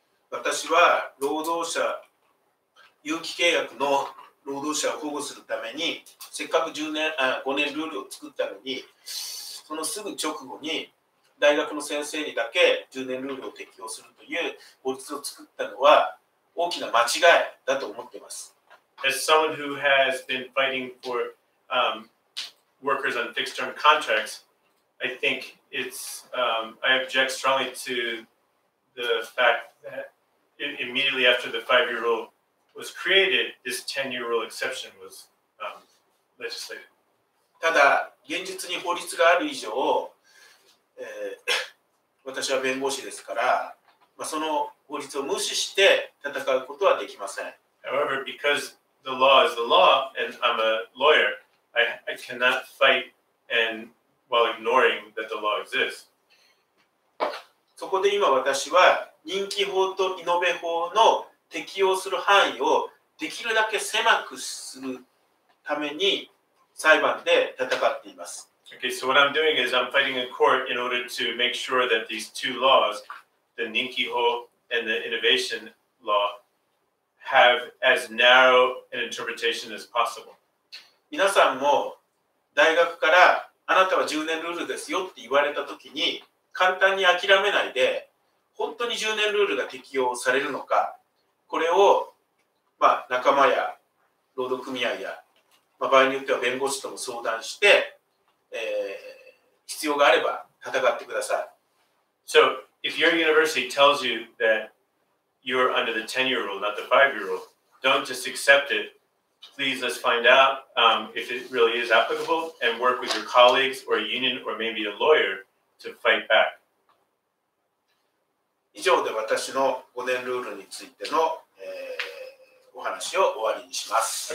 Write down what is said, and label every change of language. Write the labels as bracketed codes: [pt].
[ja] 私は労働者、有期契約の労働者を保護するためにせっかく5年ルールを作ったのに、そのすぐ直後に大学の先生にだけ10年ルールを適用するという法律を作ったのは大きな間違いだと思っています。 [en] As someone who has been fighting for、workers on fixed term contracts, I think it's、I object strongly to the fact that immediately after the 5-year rule was created, this 10-year rule exception was、legislated. [ja] ただ現実に法律がある以上、私は弁護士ですから、まあ、その法律を無視して戦うことはできません。 [en] However, because the law is the law and I'm a lawyer, I cannot fight and while ignoring that the law exists. [ja] そこで今私は任期法とイノベ法の適用する範囲をできるだけ狭くするために裁判で戦っています。 [en] Okay, so what I'm doing is I'm fighting in court in order to make sure that these two laws, the 任期法 and the innovation law, have as narrow an interpretation as possible. [ja] 皆さんも大学からあなたは10年ルールですよって言われたときに簡単に諦めないで、本当に10年ルールが適用されるのか、これを、まあ、仲間や労働組合や、まあ、場合によっては弁護士とも相談して、必要があれば戦ってください。 [en] So, if your university tells you that you're under the 10-year rule, not the 5-year rule, don't just accept it. Please, let's find out if it really is applicable and work with your colleagues or a union or maybe a lawyer to fight back. [ja] 以上で私の5年ルールについての、お話を終わりにします。